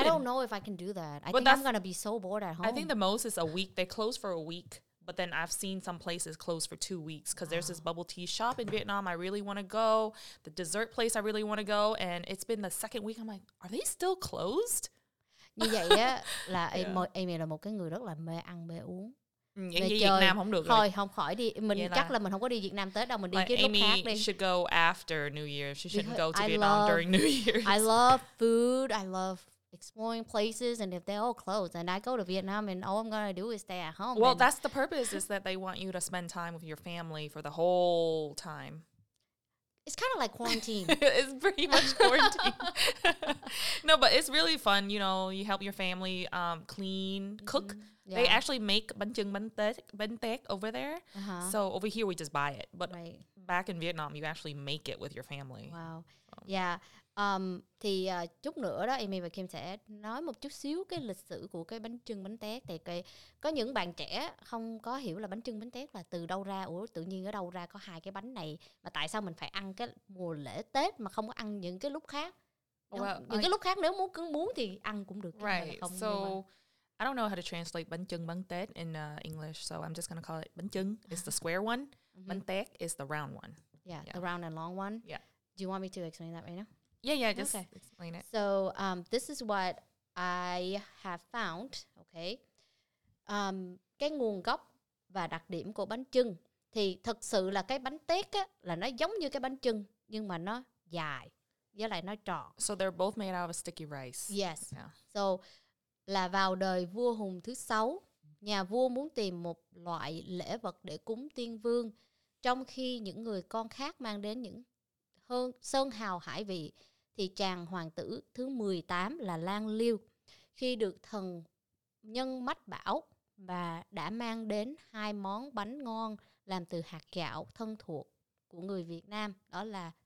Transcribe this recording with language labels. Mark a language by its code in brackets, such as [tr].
[en] I don't know if I can do that. I think I'm going to be so bored at home. I think the most is a week. They close for a week, but then I've seen some places close for 2 weeks because there's this bubble tea shop in Vietnam I really want to go, the dessert place I really want to go, and it's been the second week. I'm like, are they still closed? [vi] Như vậy á, là Amy là một cái người rất là mê ăn, mê uống. Việt Nam không được thôi rồi. Không khỏi đi mình chắc là mình không có đi Việt Nam Tết đâu, mình đi cái lúc khác đi. [en] Amy should go after New Year. She shouldn't go to Vietnam during New Year. I love food. I love exploring places, and if they're all closed, and I go to Vietnam, and all I'm gonna do is stay at home. Well, that's the purpose, is that they want you to spend time with your family for the whole time. It's kind of like quarantine. It's pretty much quarantine. No, but it's really fun. You know, you help your family clean, cook. They actually make bánh chưng bánh tét over there. So over here, we just buy it. But back in Vietnam, you actually make it with your family. Wow. Yeah. [vi] Thì chút nữa đó, Amy và Kim sẽ nói một chút xíu cái lịch sử của cái bánh chưng bánh tét. Thì có những bạn trẻ không có hiểu là bánh chưng bánh tét là từ đâu ra. Ủa, tự nhiên ở đâu ra có hai cái bánh này. Mà tại sao mình phải ăn cái mùa lễ Tết mà không có ăn những cái lúc khác? Những cái lúc khác nếu muốn cứ muốn thì ăn cũng được. [en] Right, so... I don't know how to translate bánh chưng bánh tét in English, so I'm just going to call it bánh chưng is the square one, bánh tét is the round one. Yeah, the round and long one. Yeah. Do you want me to explain that right now? Yeah, just explain it. So this is what I have found, okay? [vi] Cái nguồn gốc và đặc điểm của bánh chưng thì thực sự là cái bánh tét á, là nó giống như cái bánh chưng nhưng mà nó dài với lại nó tròn. [en] So they're both made out of sticky rice. Yes. Yeah. [vi] So là vào đời vua Hùng thứ 6, nhà vua muốn tìm một loại lễ vật để cúng tiên vương, trong khi những người con khác mang đến những sơn hào hải vị, thì chàng hoàng tử thứ 18 là Lang Liêu, khi được thần nhân mách bảo và đã mang đến hai món bánh ngon làm từ hạt gạo thân thuộc của người Việt Nam, đó là